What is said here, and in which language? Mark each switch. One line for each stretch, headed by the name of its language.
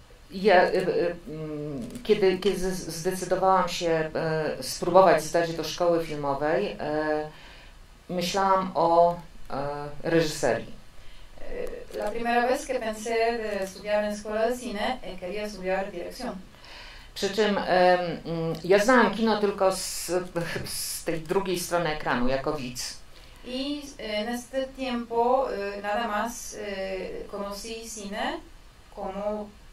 Polish: Ja, kiedy zdecydowałam się spróbować zdać do szkoły filmowej, myślałam o reżyserii.
Spanish: La primera vez que pensé de estudiar en escuela de cine, quería estudiar dirección.
Polish: Przy czym ja znałam kino tylko z tej drugiej strony ekranu, jako widz.
Spanish: I en este tiempo nada más conocí cine como